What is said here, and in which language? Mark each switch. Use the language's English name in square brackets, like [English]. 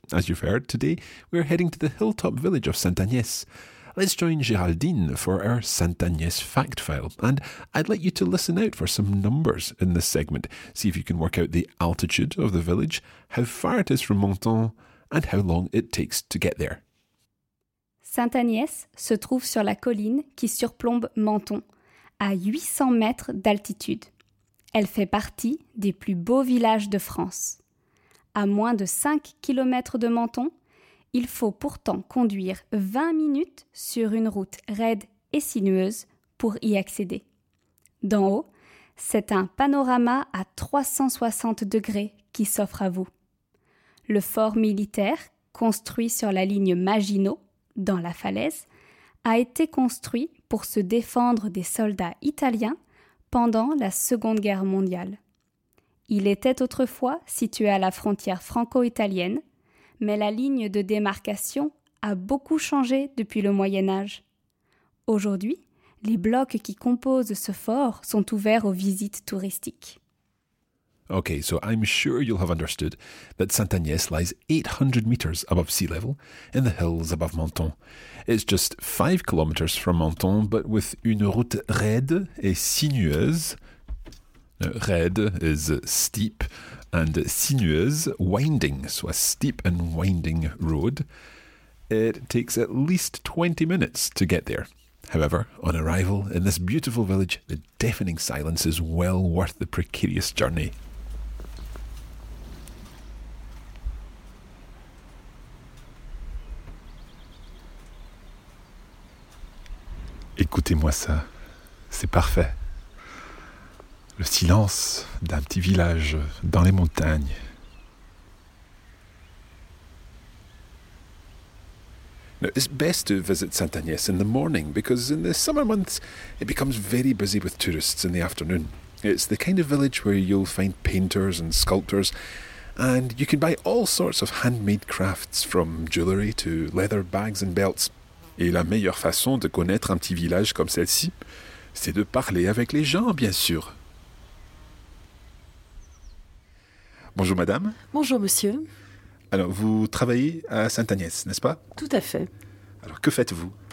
[English] As you've heard, today we are heading to the hilltop village of Sainte-Agnès. Let's join Géraldine for our Sainte-Agnès fact file. And I'd like you to listen out for some numbers in this segment. See if you can work out the altitude of the village, how far it is from Menton, and how long it takes to get there. [French] Sainte-Agnès se trouve sur la colline qui surplombe Menton, à 800 mètres d'altitude. Elle fait partie des plus beaux villages de France. À moins de 5 km de Menton, il faut pourtant conduire 20 minutes sur une route raide et sinueuse pour y accéder. D'en haut, c'est un panorama à 360 degrés qui s'offre à vous. Le fort militaire, construit sur la ligne Maginot, dans la falaise, a été construit pour se défendre des soldats italiens pendant la Seconde Guerre mondiale. Il était autrefois situé à la frontière franco-italienne, mais la ligne de démarcation a beaucoup changé depuis le Moyen Âge. Aujourd'hui, les blocs qui composent ce fort sont ouverts aux visites touristiques. [English] Okay, so I'm sure you'll have understood that Sainte-Agnès lies 800 metres above sea level in the hills above Menton. It's just 5 kilometres from Menton, but with [French] une route raide et sinueuse. [English] Raide is steep and sinueuse, winding, so a steep and winding road. It takes at least 20 minutes to get there. However, on arrival in this beautiful village, the deafening silence is well worth the precarious journey. [French] Écoutez-moi ça. C'est parfait. Le silence d'un petit village dans les montagnes. [English] Now, it's best to visit Saint-Agnès in the morning because in the summer months, it becomes very busy with tourists in the afternoon. It's the kind of village where you'll find painters and sculptors, and you can buy all sorts of handmade crafts, from jewellery to leather bags and belts. [French] Et la meilleure façon de connaître un petit village comme celle-ci, c'est de parler avec les gens, bien sûr. Bonjour, madame. Bonjour, monsieur. Alors, vous travaillez à Saint-Agnès, n'est-ce pas? Tout à fait. Alors, que faites-vous?